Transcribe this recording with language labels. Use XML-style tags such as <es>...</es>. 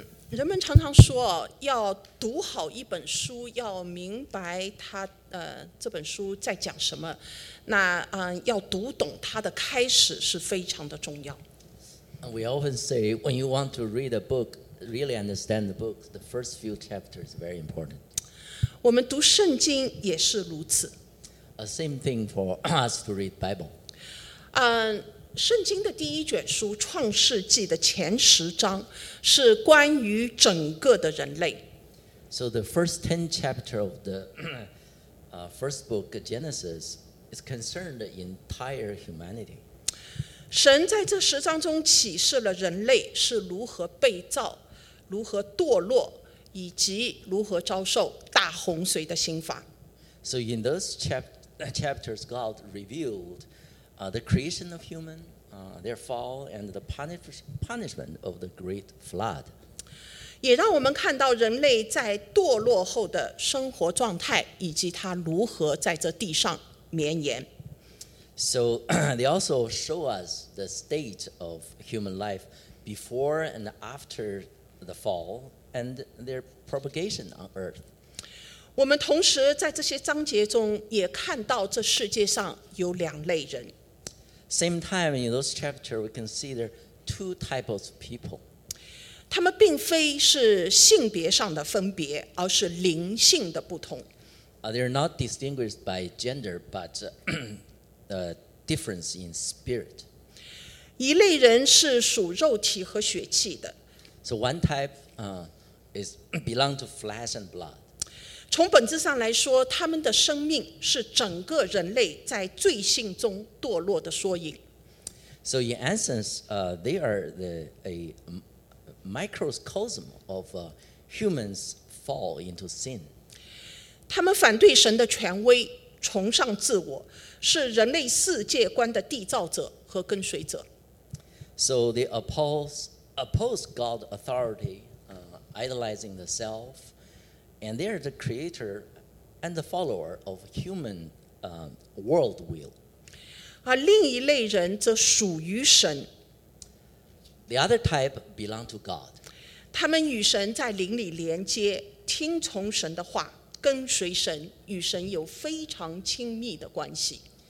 <zh>人们常常说，要读好一本书，要明白他这本书在讲什么，那要读懂它的开始是非常的重要。</zh> <en>We often say, when you want to read a book, really understand the book, the first few chapters is very important.</en> <zh>我们读圣经也是如此。</zh> <en>Same thing for us to read Bible.</en> <zh>圣经的第一卷书《创世纪》的前十章是关于整个的人类。</zh> <en>So the first 10 chapters of the first book, Genesis, is concerned the entire humanity.</en> <zh>神在这十章中启示了人类是如何被造、如何堕落，以及如何遭受大洪水的刑罚。</zh> <en>So in those chapters, God revealed the creation of human, their fall, and the punishment of the great flood.</en> <zh>也让我们看到人类在堕落后的生活状态，以及它如何在这地上绵延。</zh> <en>So they also show us the state of human life before and after the fall and their propagation on earth.</en> <zh>我们同时在这些章节中也看到这世界上有两类人。</zh> <en>Same time in those chapters, we can see there are two types of people.</en> <zh>他们并非是性别上的分别，而是灵性的不同。</zh> <en>They are not distinguished by gender, but a difference in spirit.</en> <zh>一类人是属肉体和血气的。</zh> <en>So one type is belong to flesh and blood.</en> <zh>从本质上来说，他们的生命是整个人类在罪性中堕落的缩影。</zh> <en>So in essence, they are a microcosm of humans fall into sin.</en> <zh>他们反对神的权威，崇尚自我，是人类世界观的缔造者和跟随者。</zh> <en>So they oppose God's authority, idolizing the self. And they are the creator and the follower of human world will.</en> <zh>另一类人则属于神。</zh> <en>The other type belong to God.</en> <zh>他们与神在灵里连接，听从神的话，跟随神，与神有非常亲密的关系。</zh>